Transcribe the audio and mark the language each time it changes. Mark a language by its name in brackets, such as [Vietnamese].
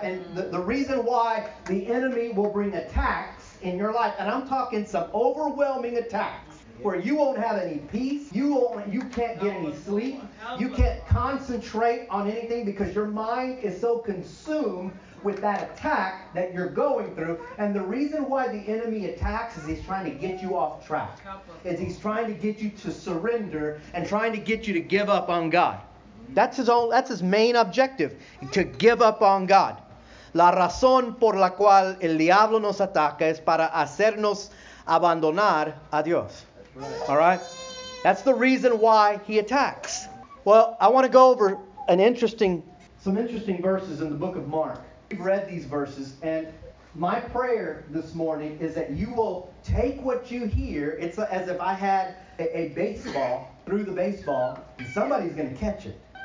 [English] And the reason why the enemy will bring attacks in your life, and I'm talking some overwhelming attacks where you won't have any peace, you can't get any sleep, you can't concentrate on anything because your mind is so consumed with that attack that you're going through. And the reason why the enemy attacks is he's trying to get you off track. Is he's trying to get you to surrender and trying to get you to give up on God. That's his main objective, to give up on God. [Spanish] La razón por la cual el diablo nos ataca es para hacernos abandonar a Dios. [English] All right? That's the reason why he attacks. Well, I want to go over some interesting verses in the book of Mark. We've read these verses, and my prayer this morning is that you will take what you hear. It's as if I had a baseball through the baseball, and somebody's going to catch it.